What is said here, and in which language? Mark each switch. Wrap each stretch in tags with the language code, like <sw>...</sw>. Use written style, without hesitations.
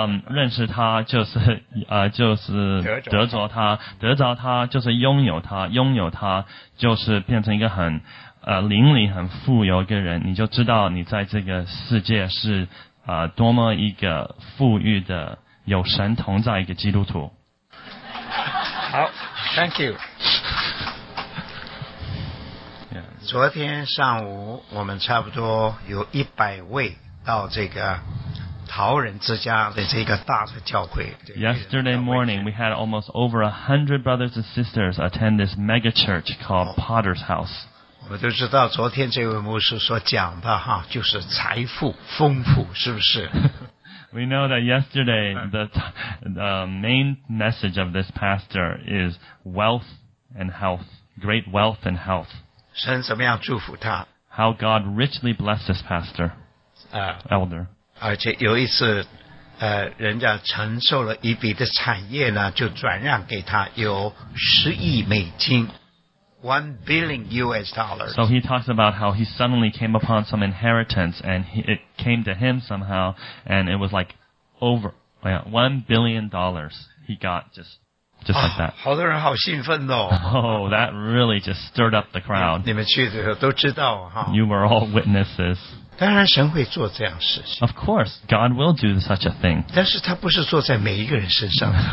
<zh>认识他就是得着他，得着他就是拥有他，拥有他就是变成一个很灵里很富有一个人，你就知道你在这个世界是多么一个富裕的有神同在一个基督徒。</zh> <en>好 ，Thank you。</en> <zh>昨天上午我们差不多有100位到这个 t 桃仁之家的这个大的教会。</zh> <en>Yesterday morning, we had almost over 100 brothers and sisters attend this mega church called Potter's House.</en> <zh>我们都知道昨天这位牧师所讲的哈，就是财富丰富，是不是？</zh> <en>We know that yesterday the main message of this pastor is wealth and health, great wealth and health.</en> <zh>神怎么样祝福他？</zh> <en>How God richly blessed this pastor, elder.</en> <zh>而且有一次，人家承受了一笔的产业呢，就转让给他有</zh> <en>$10 billion. $1 billion. So he talks about how he suddenly came upon some inheritance and it came to him somehow and it was like over, well, $1 billion he got just like that.</en> <zh>好多人好兴奋哦。</zh> <en>Oh, that really just stirred up the crowd.</en> <zh>你们去的时候都知道哈。</zh> <en>You were all witnesses.</en> <zh>当然神会做这样事情。</zh> <en>Of course, God will do such a thing.</en> <zh>但是他不是做在每一个人身上。</zh>